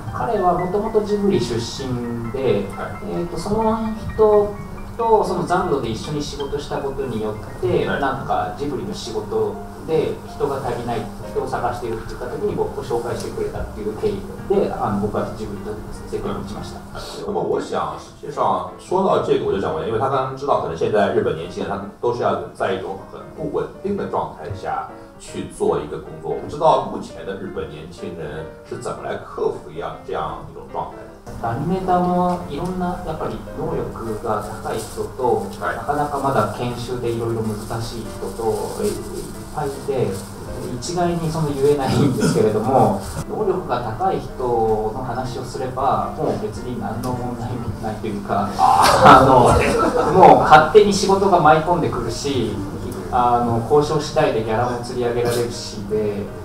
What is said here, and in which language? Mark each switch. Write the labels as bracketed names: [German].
[Japanese] 彼はもともとジブリ出身で、はい、その人とそのザンドで一緒に仕事したことによって、はい、なんかジブリの仕事で人が足りない人を探しているっていう方に僕を紹介してくれたっていう経緯で僕はジブリと接点を持ちました。 [Chinese] 那么我想实际上说到这个我就想问，因为他刚刚知道可能现在日本年轻人他都是要在一种很不稳定的状态下去做一个工作，不知道目前的日本年轻人是怎么来克服这样一种状态。 [Japanese] アニメーターもいろんなやっぱり能力が高い人と、はい、なかなかまだ研修でいろいろ難しい人といっぱいいて、一概にその言えないんですけれども能力が高い人の話をすればもう別に何の問題もないというか、もう勝手に仕事が舞い込んでくるし、交渉次第でギャラも釣り上げられるしで、